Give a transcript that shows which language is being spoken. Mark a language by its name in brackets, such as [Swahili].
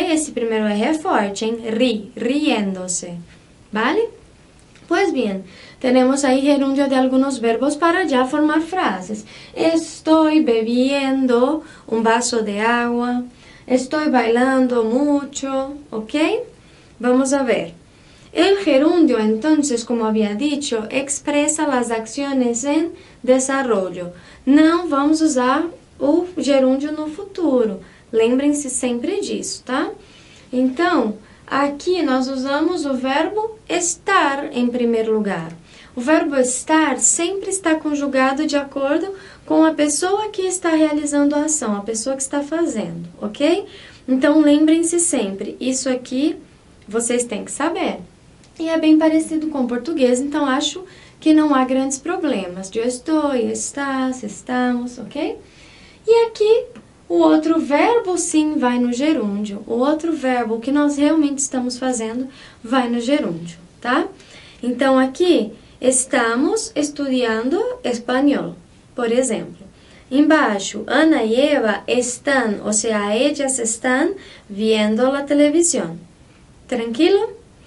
[Portuguese] Esse primeiro R é forte, hein? Riéndose, vale? Pois bem, temos aí gerúndio de alguns verbos para já formar frases. Estou bebendo um vaso de água. Estou bailando muito, ok? [Spanish] Vamos a ver. El gerundio, entonces, como había dicho, expresa las acciones en desarrollo. [Portuguese] Não vamos usar o gerúndio no futuro. Lembrem-se sempre disso, tá? Então, aqui nós usamos o verbo estar em primeiro lugar. O verbo estar sempre está conjugado de acordo com a pessoa que está realizando a ação, a pessoa que está fazendo, ok? Então lembrem-se sempre, isso aqui vocês têm que saber. E é bem parecido com o português, então acho que não há grandes problemas. [Spanish] Yo estoy, estás, estamos, ok? [Portuguese] E aqui o outro verbo sim vai no gerúndio. O outro verbo que nós realmente estamos fazendo vai no gerúndio, tá? Então aqui [Spanish] estamos estudiando [Portuguese] espanhol, por exemplo. [Spanish] Embaixo, Ana e Eva están, [Portuguese] ou seja, [Spanish] ellas están viendo la televisión. Tranquilo?